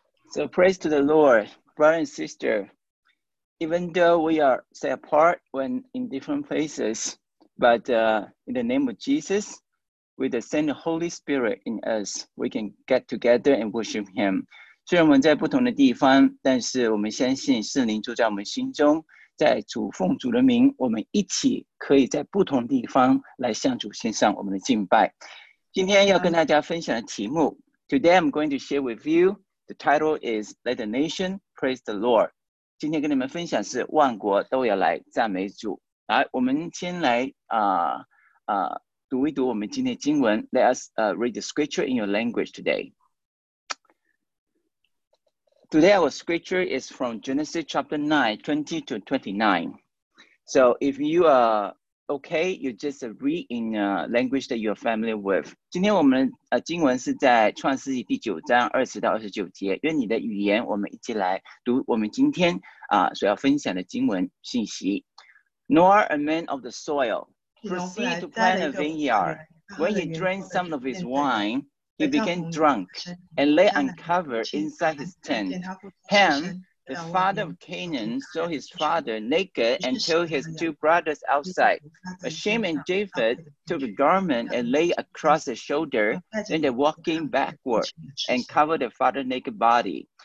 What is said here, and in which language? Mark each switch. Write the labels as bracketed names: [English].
[English] So praise to the Lord, brother and sister. Even though we are set apart when in different places, but in the name of Jesus, with the same Holy Spirit in us, we can get together and worship Him. [Chinese] 虽然我们在不同的地方，但是我们相信圣灵住在我们心中，在主奉主的名，我们一起可以在不同地方来向主献上我们的敬拜。今天要跟大家分享的题目 ， [English] Today I'm going to share with you. The title is Let the Nation Praise the Lord. [Chinese] 今天跟你们分享是万国都要来赞美主。来，我们先来读一读我们今天的经文。 [English] Let us read the scripture in your language today. Today our scripture is from Genesis chapter 9, 20 to 29. So if you are okay, you just read in a language that you're familiar with. [Chinese] 今天我们经文是在创世纪第九章二十到二十九节。愿你的语言，我们一起来读我们今天所要分享的经文信息。 [English] Noah, a man of the soil, proceeded to plant a vineyard. When he drank some of his wine, he became drunk and lay uncovered inside his tent. Ham, the father of Canaan, saw his father naked and told his two brothers outside. Shem and Japheth took a garment and lay across his shoulder, then they walking backward and covered their father's naked body.